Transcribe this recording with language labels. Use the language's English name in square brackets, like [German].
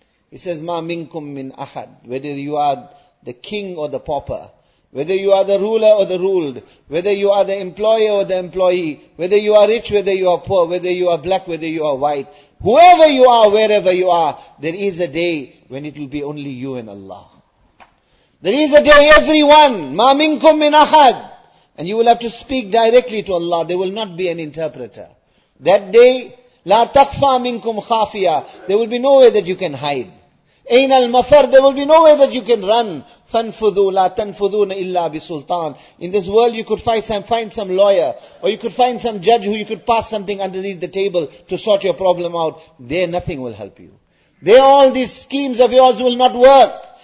[English] He says, [Arabic] مَا مِنْكُمْ مِنْ أَحَدٍ. [English] Whether you are the king or the pauper, whether you are the ruler or the ruled, whether you are the employer or the employee, whether you are rich, whether you are poor, whether you are black, whether you are white, whoever you are, wherever you are, there is a day when it will be only you and Allah. There is a day, everyone, [Arabic] مَا مِنْكُمْ مِنْ أَحَدْ. [English] And you will have to speak directly to Allah. There will not be an interpreter. That day, [Arabic] لَا تَخْفَى مِنْكُمْ خَافِيَةً. [English] There will be no way that you can hide. [Arabic] أَيْنَ الْمَفَرْ. [English] There will be no way that you can run. [Arabic] فَانْفُذُوا لَا تَنْفُذُونَ إِلَّا بِسُلْطَانٍ. [English] In this world, you could find some lawyer, or you could find some judge who you could pass something underneath the table to sort your problem out. There, nothing will help you. There, all these schemes of yours will not work.